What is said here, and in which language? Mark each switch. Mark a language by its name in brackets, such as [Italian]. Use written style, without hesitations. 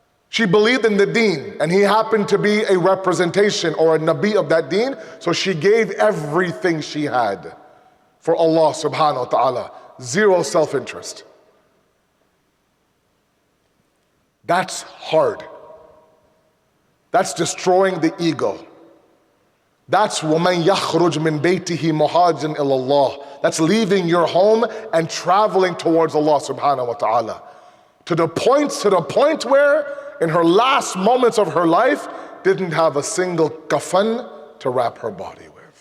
[English] She believed in the deen, and he happened to be a representation or a nabi of that deen, so she gave everything she had for Allah subhanahu wa ta'ala. Zero self-interest. That's hard. That's destroying the ego. That's [Arabic] وَمَنْ يَخْرُجْ مِنْ بَيْتِهِ مُحَاجٍ إِلَى اللَّهِ. [English] That's leaving your home and traveling towards Allah subhanahu wa ta'ala. To the point where in her last moments of her life didn't have a single kafan to wrap her body with.